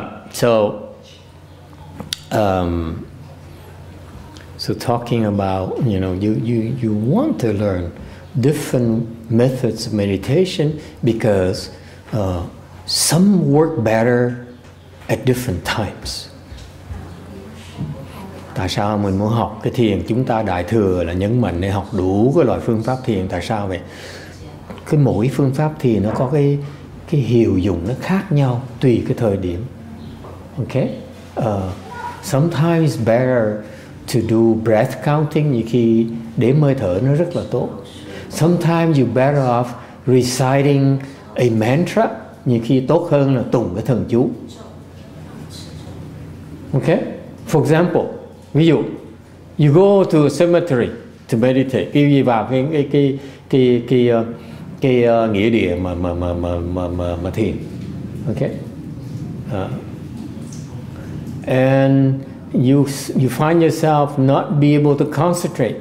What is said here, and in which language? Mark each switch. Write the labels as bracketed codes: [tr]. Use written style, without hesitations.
[en] So talking about, you know, you want to learn different methods of meditation because some work better at different times. [vi] Tại sao mình muốn học cái thiền? Chúng ta đại thừa là nhấn mạnh để học đủ cái loại phương pháp thiền. Tại sao vậy? Cái mỗi phương pháp thiền nó có cái hiệu dụng nó khác nhau tùy cái thời điểm. Okay? [en] Sometimes better to do breath counting, [vi] như khi đếm hơi thở nó rất là tốt. [en] Sometimes you better off reciting a mantra, [vi] nhiều khi tốt hơn là tụng cái thần chú. [en] Okay? For example, [vi] ví dụ, [en] you go to a cemetery to meditate. [vi] Khi đi vào cái nghĩa địa mà thiền. [en] Okay? And you find yourself not be able to concentrate.